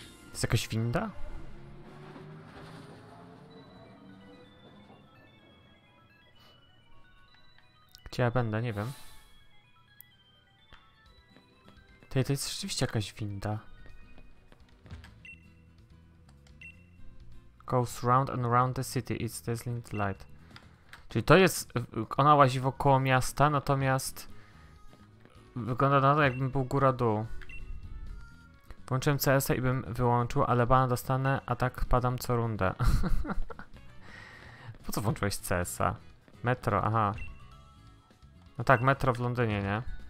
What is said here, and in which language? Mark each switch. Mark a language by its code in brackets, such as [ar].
[pl] Jest jakaś winda? Gdzie ja będę, nie wiem. To jest rzeczywiście jakaś winda. [en] Goes round and round the city, it's dazzling light. [pl] Czyli to jest, ona łazi wokoło miasta, natomiast wygląda na to, jakbym był góra-dół. Włączyłem CS-a i bym wyłączył, ale bana dostanę, a tak padam co rundę. Po co włączyłeś CS-a? Metro, aha. No tak, metro w Londynie, nie?